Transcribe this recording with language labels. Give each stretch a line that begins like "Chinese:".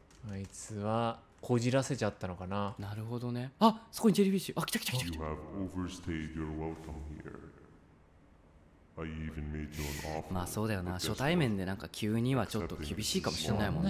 Japanese: あいつはこじらせちゃったのかな。なるほどね。あ、そこにジェリービッシュ。あ、来た。
English: You have overstayed your welcome here. I even made you an offer.
Japanese: まあそうだよな、初対面でなんか急にはちょっと厳しいかもしれないもんな。